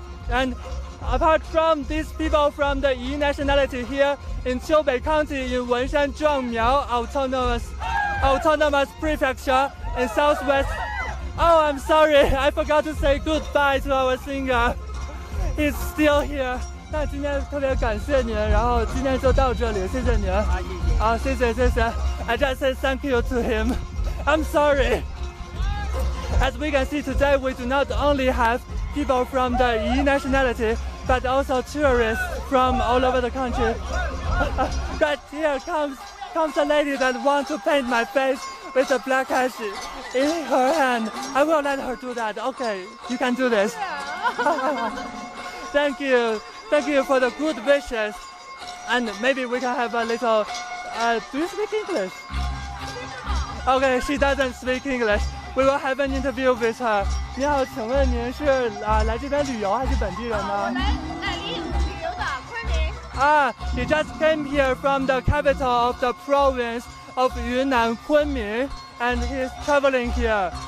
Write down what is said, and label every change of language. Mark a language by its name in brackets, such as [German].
[English] And apart from these people from the Yi nationality here in Qiubei County in Wenshan Zhuangmiao Autonomous Prefecture in Southwest. Oh, I'm sorry, I forgot to say goodbye to our singer. He's still here. [Chinese] 那今天特别感谢您，然后今天就到这里，谢谢您。啊，谢谢谢谢。 [English] I just said thank you to him. I'm sorry. As we can see today, we do not only have people from the Yi nationality, but also tourists from all over the country. But here comes a lady that wants to paint my face with a black hash in her hand. I will let her do that. Okay, you can do this. Thank you. Thank you for the good wishes. And maybe we can have a little... do you speak English? Okay, she doesn't speak English. We will have an interview with her. [Chinese] 你好，请问您是来这边旅游还是本地人呢？我来旅游的，昆明。 [English] You just came here from the capital of the province of Yunnan, 昆明, and he's traveling here.